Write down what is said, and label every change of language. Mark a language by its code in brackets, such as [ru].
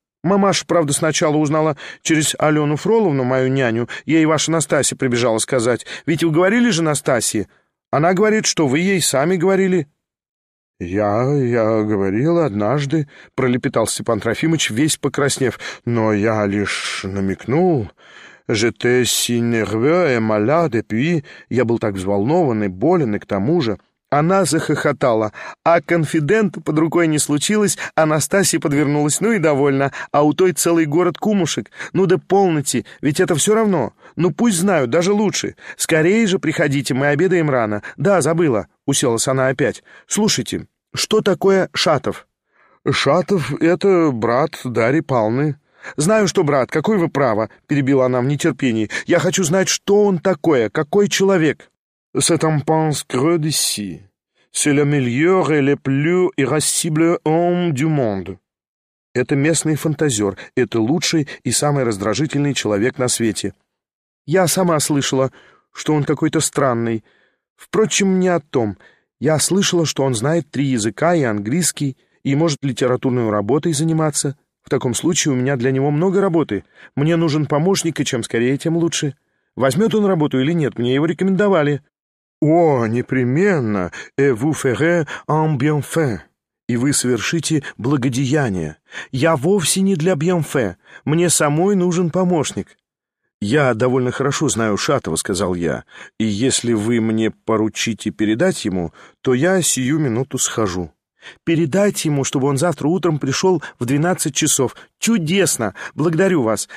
[ru] Мамаша, правда, сначала узнала через Алену Фроловну, мою няню. Ей ваша Настасья прибежала сказать. Ведь вы говорили же Настасье. Она говорит, что вы ей сами говорили». «Я говорил однажды», — пролепетал Степан Трофимович, весь покраснев. «Но я лишь намекнул. [fr] J'étais si nerveux et malade depuis. [ru] Я был так взволнован и болен, и к тому же». Она захохотала. «А конфидента под рукой не случилось, а Настасья подвернулась, ну и довольно. А у той целый город кумушек. Ну да полноте, ведь это все равно. Ну пусть знают, даже лучше. Скорее же приходите, мы обедаем рано». «Да, забыла», — уселась она опять. «Слушайте, что такое Шатов?» «Шатов — это брат Дарьи Павловны». «Знаю, что брат, какое вы право», — перебила она в нетерпении. «Я хочу знать, что он такое, какой человек». [fr] «C'est un pince creux d'ici. C'est le meilleur et le plus irascible homme du monde». [ru] «Это местный фантазер. Это лучший и самый раздражительный человек на свете». «Я сама слышала. что он какой-то странный. Впрочем, не о том. Я слышала, что он знает 3 языка и английский, и может литературной работой заниматься. В таком случае у меня для него много работы. Мне нужен помощник, и чем скорее, тем лучше. Возьмет он работу или нет, мне его рекомендовали». «О, непременно! [fr] Et vous ferez un bienfait. [ru] И вы совершите благодеяние. Я вовсе не для бьемфе. Мне самой нужен помощник». «Я довольно хорошо знаю Шатова», — сказал я. «И если вы мне поручите передать ему, то я сию минуту схожу». «Передайте ему, чтобы он завтра утром пришел в 12 часов. Чудесно! Благодарю вас!